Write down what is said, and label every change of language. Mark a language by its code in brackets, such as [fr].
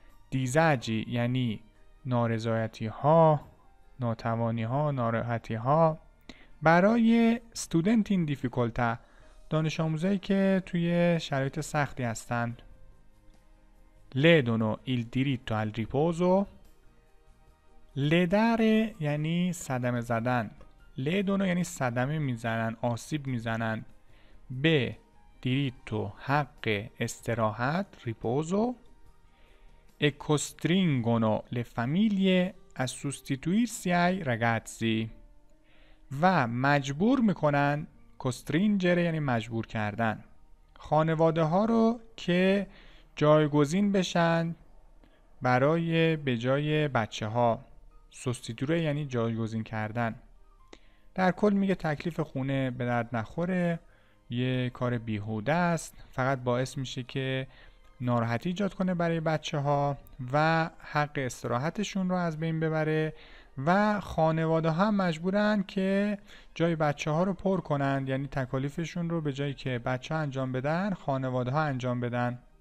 [fa] دیزاجی یعنی نارضایتی ها، ناتوانی ها، ناراحتی ها برای [en] student in difficulty، [fa] دانش آموزه که توی شرایط سختی هستند. لیدونو [it] il diritto al riposo، [fa] لدره یعنی صدمه زدن، لدونو یعنی صدمه میزنن، آسیب میزنن. [it] ب دیریتو [fa] حق استراحت [it] ریپوزو e costringono le famiglie a sostituirsi ai ragazzi. [fa] و مجبور میکنن، costringere یعنی مجبور کردن، خانواده ها رو که جایگزین بشن برای به جای بچه ها. سوستیتوره یعنی جایگزین کردن. در کل میگه تکلیف خونه به درد نخوره، یه کار بیهوده است، فقط باعث میشه که ناراحتی ایجاد کنه برای بچه ها و حق استراحتشون رو از بین ببره و خانواده ها مجبورن که جای بچه ها رو پر کنند، یعنی تکالیفشون رو به جایی که بچه ها انجام بدن خانواده ها انجام بدن.